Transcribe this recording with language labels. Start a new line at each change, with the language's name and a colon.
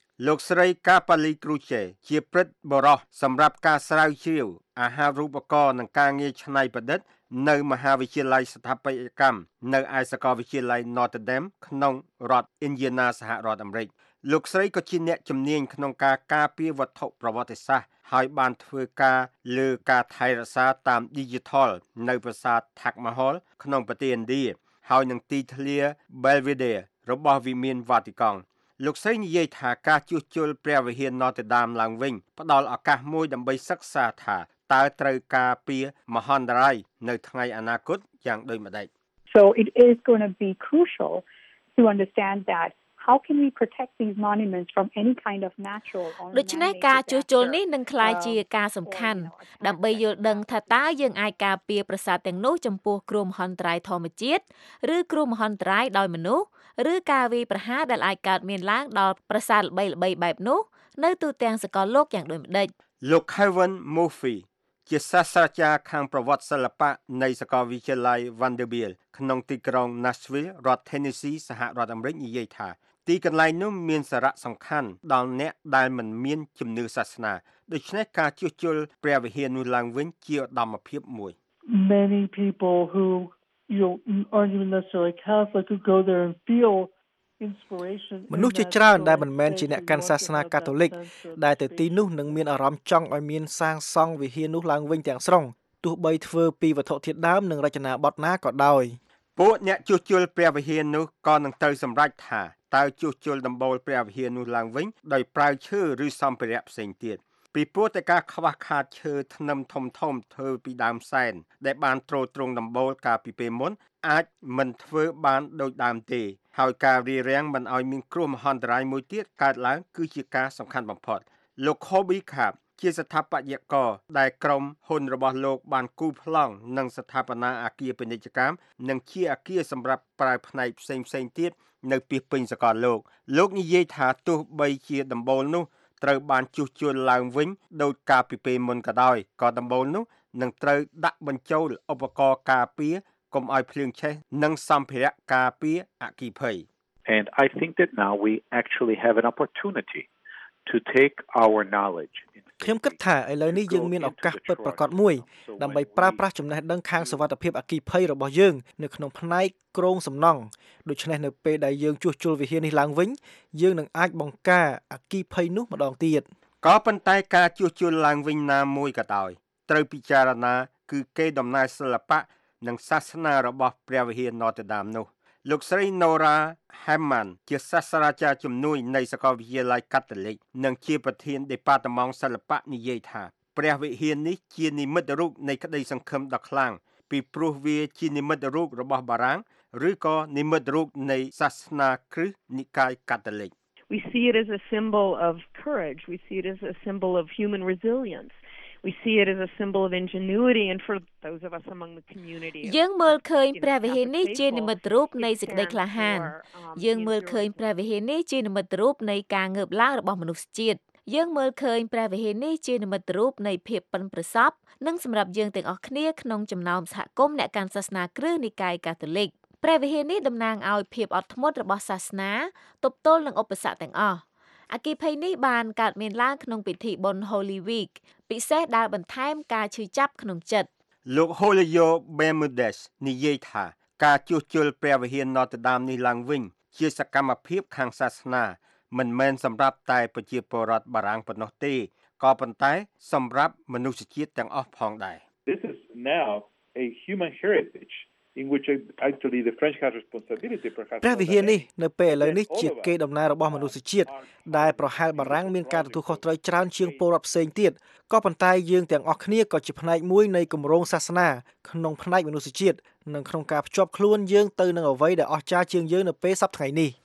Khmer: លោកស្រីកាប៉ាលីគ្រូជេជាព្រឹទ្ធបុរសសម្រាប់ការស្រាវជ្រាវអាហាររូបករណ៍និងការងារច្នៃប្រឌិតនៅមហាវិទ្យាល័យស្ថាបត្យកម្មនៅឯសាកលវិទ្យាល័យ Notre Dame ក្នុងរដ្ឋ Indiana សហរដ្ឋអាមេរិកលោកស្រីក៏ជាអ្នកជំនាញក្នុងការការពារវត្ថុប្រវត្តិសាស្ត្រហើយបានធ្វើការលើការថែរក្សាតាម Digital នៅប្រាសាទ Taj Mahal ក្នុងប្រទេសឥណ្ឌាហើយនឹងទីធ្លា Belvedere របស់វិមានវ៉ាទីកង់ លោកសេននិយាយថាការជួសជុលព្រះវិហារ Notre Dame ឡើងវិញផ្ដល់ឱកាសមួយដើម្បីសិក្សាថាតើត្រូវការពារមហន្តរាយនៅថ្ងៃអនាគតយ៉ាងដូចម្តេច
English: So it is going to be crucial to understand that How can we protect these monuments from any kind of natural or man-made disaster?
Khmer: ដូច្នេះការជួសជុលនេះនឹងក្លាយជាការសំខាន់ដើម្បីយល់ដឹងថាតើយើងអាចការពារប្រាសាទទាំងនោះចំពោះគ្រោះមហន្តរាយធម្មជាតិឬគ្រោះមហន្តរាយដោយមនុស្សឬការវាយប្រហារដែលអាចកើតមានឡើងដល់ប្រាសាទល្បីៗបែបនោះនៅទូទាំងសកលលោកយ៉ាងដូចម្តេច លោក Kevin Murphy ជាសាស្ត្រាចារ្យខាងប្រវត្តិសិល្បៈនៃសាកលវិទ្យាល័យ Vanderbilt ក្នុងទីក្រុង Nashville រដ្ឋ Tennessee សហរដ្ឋអាមេរិកនិយាយថាទីកន្លែងនោះមានសារៈសំខាន់ដល់អ្នកដែលមិនមានជំនឿសាសនាដូច្នេះការជួសជុលព្រះវិហារនោះឡើងវិញជាឧត្តមភាពមួយ
English: Many people who you know, aren't even necessarily Catholic could go there and feel inspiration
Khmer: មនុស្សជាច្រើនដែលមិនមែនជាអ្នកកាន់សាសនាកាតូលិកដែលទៅទីនោះនឹងមានអារម្មណ៍ចង់ឲ្យមានសាងសង់វិហារនោះឡើងវិញទាំងស្រុងទោះបីធ្វើពីវត្ថុធាតុដើមនិងរចនាបថណាក៏ដោយ ពួកអ្នកជួសជុលព្រះវិហារនោះក៏នឹងត្រូវសម្រេចថាតើជួសជុលដំបូលព្រះវិហារនោះឡើងវិញដោយប្រើឈើឬសម្ភារៈផ្សេងទៀតពីព្រោះតែការខ្វះខាតឈើធ្នឹមធំៗធ្វើពីដើមសែនដែលបានទ្រទ្រង់ដំបូលកាលពីពេលមុនអាចមិនធ្វើបានដូចដើមទេហើយការរារាំងមិនឲ្យមានគ្រោះមហន្តរាយមួយទៀតកើតឡើងគឺជាការសំខាន់បំផុត លោក Kobe Crab ជាស្ថាបត្យករដែលក្រុមហ៊ុនរបស់លោកបានគូប្លង់និងស្ថាបនាអគារពាណិជ្ជកម្មនិងជាអគារសម្រាប់ប្រើផ្នែកផ្សេងៗទៀតនៅពីពេញសកលលោកលោកនិយាយថាទោះបីជាដំបូលនោះត្រូវបានជួសជុលឡើងវិញដោយការពីពេលមុនក៏ដោយក៏ដំបូលនោះនឹងត្រូវដាក់បញ្ចូលឧបករណ៍ការពារកុំឲ្យភ្លៀងឆេះនិងសម្ភារៈការពារអគ្គិភ័យ
English: And I think that now we actually have an opportunity to take our knowledge
Khmer: ខ្ញុំគិតថាឥឡូវនេះយើងមានឱកាសពិតប្រាកដមួយដើម្បីប្រើប្រាស់ចំណេះដឹងខាងសុវត្ថិភាពអគ្គិភ័យរបស់យើងនៅក្នុងផ្នែកក្រុងសំណង់ដូច្នេះនៅពេលដែលយើងជួសជុលវិហារនេះឡើងវិញយើងនឹងអាចបង្ការអគ្គិភ័យនោះម្ដងទៀត ក៏ប៉ុន្តែការជួសជុលឡើងវិញណាមួយក៏ដោយត្រូវពិចារណាគឺគេដំណើរសិល្បៈនិងសាសនារបស់ព្រះវិហារណូតដាមនោះលោកស្រី Nora Hammond ជាសាស្ត្រាចារ្យជំនួយនៃសាកលវិទ្យាល័យកាតូលិកនិងជាប្រធានដេប៉ាតម៉ង់សិល្បៈនិយាយថាព្រះវិហារនេះជានិមិត្តរូបនៃក្តីសង្ឃឹមដ៏ខ្លាំងពីព្រោះវាជានិមិត្តរូបរបស់បារាំងឬក៏និមិត្តរូបនៃសាសនាគ្រីស្ទនិកាយកាតូលិក
English: We see it as a symbol of courage we see it as a symbol of human resilience We see it as a symbol of ingenuity and for those of us among the community.
Khmer: យើងមើលឃើញព្រះវិហារនេះជានិមិត្តរូបនៃសេចក្តីក្លាហានយើងមើលឃើញព្រះវិហារនេះជានិមិត្តរូបនៃការងើបឡើងរបស់មនុស្សជាតិយើងមើលឃើញព្រះវិហារនេះជានិមិត្តរូបនៃភាពប៉ិនប្រសប់និងសម្រាប់យើងទាំងអស់គ្នាក្នុងចំណោមសហគមន៍អ្នកកាន់សាសនាគ្រឹះនិកាយកាតូលិកព្រះវិហារនេះតំណាងឲ្យភាពអត់ធ្មត់របស់សាសនាទប់ទល់នឹងឧបសគ្គទាំងអស់អគ្គិភ័យនេះបានកើតមានឡើងក្នុងពិធីបុណ្យ Holy Week ពិសេសដែលបន្ថែមការឈឺចាប់ក្នុងចិត្ត លោក Holyo Bermudez និយាយថាការជួសជុលព្រះវិហារ Notre Dame នេះឡើងវិញជាសកម្មភាពខាងសាសនាមិនមែនសម្រាប់តែប្រជាពលរដ្ឋបារាំងប៉ុណ្ណោះទេក៏ប៉ុន្តែសម្រាប់មនុស្សជាតិទាំងអស់ផងដែរ
English: This is now a human heritage. in which actually the French has responsibility perhaps
Khmer: ព្រះវិហារនេះនៅពេលឥឡូវនេះជាគេដំណើររបស់មនុស្សជាតិដែលប្រហែលបារាំងមានការទទួលខុសត្រូវច្រើនជាងពលរដ្ឋផ្សេងទៀតក៏ប៉ុន្តែយើងទាំងអស់គ្នាក៏ជាផ្នែកមួយនៃគម្រោងសាសនាក្នុងផ្នែកមនុស្សជាតិនិងក្នុងការភ្ជាប់ខ្លួនយើងទៅនឹងអ្វីដែលអស្ចារ្យជាងយើងនៅពេលសប្តាហ៍ថ្ងៃនេះ